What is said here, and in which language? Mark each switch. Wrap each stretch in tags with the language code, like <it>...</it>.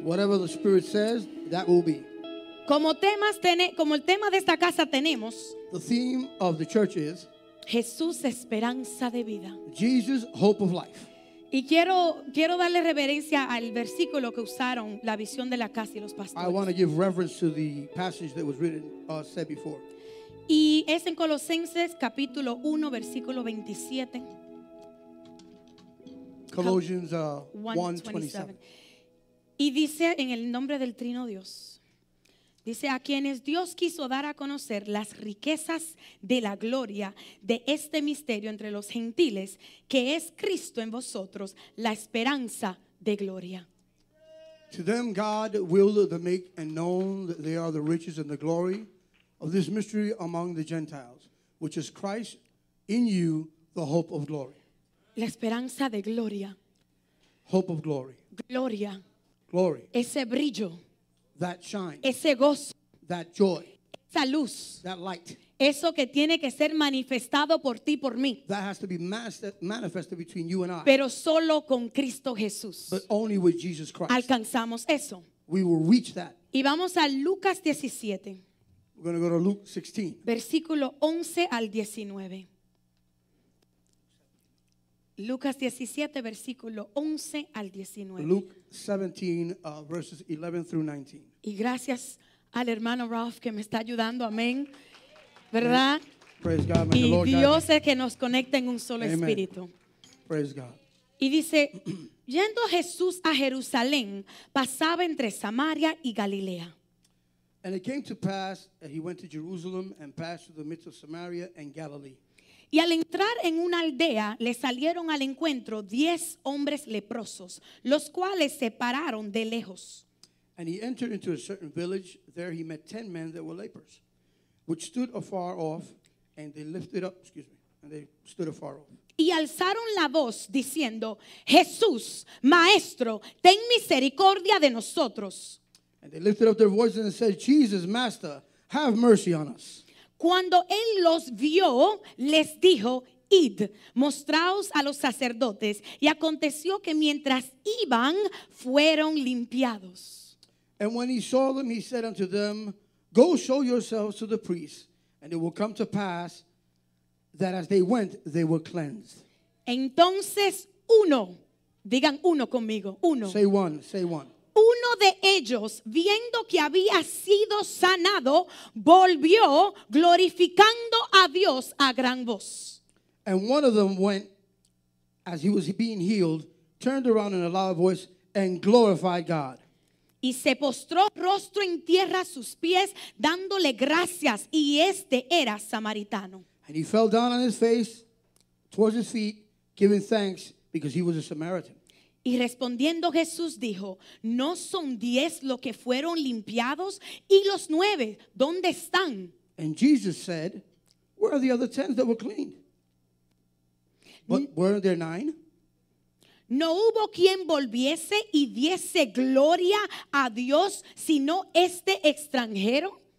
<en>Whatever the Spirit says, that will be.</en> <es>Como el tema de esta casa tenemos,</es> <en>the theme of the church is,</en> <es>Jesús, esperanza de vida.</es> <en>Jesus, hope of life.</en> <es>Y quiero darle reverencia al versículo que usaron, la visión de la casa y los pastores.</es> <en>I want to give reverence to the passage that was written, said before.</en> <es>Y es en Colosenses capítulo 1 versículo 27.</es> <en>Colossians 1:27.</en> <es>Y dice en el nombre del Trino Dios. Dice, a quienes Dios quiso dar a conocer las riquezas de la gloria de este misterio entre los gentiles, que es Cristo en vosotros, la esperanza de gloria.</es> <en>To them God willed to make and known that they are the riches and the glory of this mystery among the Gentiles, which is Christ in you, the hope of glory.</en> <es>La esperanza de gloria.</es> <en>Hope of glory.</en> <es>Gloria.</es> <en>Glory.</en> <es>Ese brillo.</es> <en>That shine.</en> <es>Ese gozo.</es> <en>That joy.</en> <es>Esa luz.</es> <en>That light.</en> <es>Eso que tiene que ser manifestado por ti, por mí.</es> <en>That has to be manifested between you and I.</en> <es>Pero solo con Cristo Jesús.</es> <en>But only with Jesus Christ.</en> <es>Alcanzamos eso.</es> <en>We will reach that.</en> <es>Y vamos a Lucas 17.</es> <en>We're going to go to Luke 16.</en> <es>Versículo 11 al 19. Lucas 17, versículo 11 al 19.</es> <en>Luke 17, verses 11 through 19.</en> <es>Y gracias al hermano Ralph que me está ayudando, amén. ¿Verdad?</es> <en>Praise God,</en> <es>y Dios es que nos conecta en un solo Amen. Espíritu.</es> <en>Praise God.</en> <es>Y dice, yendo Jesús a Jerusalén, pasaba entre Samaria y Galilea.</es> <en>And it came to pass that he went to Jerusalem and passed through the midst of Samaria and Galilee.</en> <es>Y al entrar en una aldea, le salieron al encuentro 10 hombres leprosos, los cuales se pararon de lejos.</es> <en>And he entered into a certain village. There he met 10 men that were lepers, which stood afar off, and they lifted up, and they stood afar off.</en> <es>Y alzaron la voz, diciendo, Jesús, Maestro, ten misericordia de nosotros.</es> <en>And they lifted up their voices and said, Jesus, Master, have mercy on us.</en> <es>Cuando él los vio, les dijo, id, mostraos a los sacerdotes. Y aconteció que mientras iban, fueron limpiados.</es> <en>And when he saw them, he said unto them, go show yourselves to the priests, and it will come to pass that as they went, they were cleansed.</en> <es>Entonces uno, digan uno conmigo, uno.</es> <en>Say one, say one.</en> <es>Uno de ellos, viendo que había sido sanado, volvió glorificando a Dios a gran voz.</es> <en>And one of them went, as he was being healed, turned around in a loud voice and glorified God.</en> <es>Y se postró rostro en tierra a sus pies, dándole gracias, y este era samaritano.</es> <en>And he fell down on his face, towards his feet, giving thanks, because he was a Samaritan.</en> <es>Y respondiendo Jesús dijo, ¿no son 10 los que fueron limpiados? ¿Y los 9, dónde están?</es> <en>And Jesus said, where are the other 10 that were cleaned? But weren't there 9?</en> <es>No hubo quien volviese y diese gloria a Dios, sino este extranjero.</es>